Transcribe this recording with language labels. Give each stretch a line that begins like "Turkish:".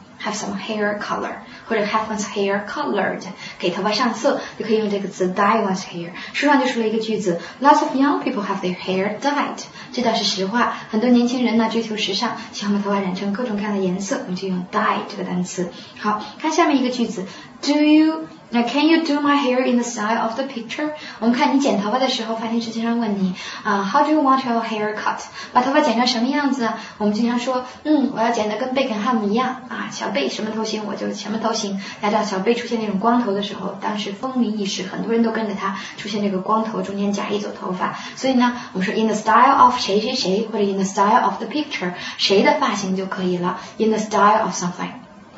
English: Have some hair color，
Chinese: 或者
English: have one's hair colored，
Chinese: 给头发上色，就可以用这个词
English: dye one's hair。
Chinese: 书上就说了一个句子 ，
English: Lots of young people have their hair dyed。
Chinese: 这倒是实话，很多年轻人呢追求时尚，喜欢把头发染成各种各样的颜色，我们就用 dye 这个单词。好，看下面一个句子 ，
English: Do you？ Now, can you do my hair in the style of the picture?
Chinese: 我们看你剪头发的时候，发型师经常问你啊、，
English: How do you want your hair cut?
Chinese: 把头发剪成什么样子啊？我们经常说，我要剪得跟贝肯汉姆一样啊，小贝什么头型我就什么头型。大家知道小贝出现那种光头的时候，当时风靡一时，很多人都跟着他出现这个光头，中间夹一撮头发。所以呢，我们说
English: in the style of
Chinese: 谁谁谁，或者
English: in the style of the picture，
Chinese: 谁的发型就可以了 ，
English: in the style of something。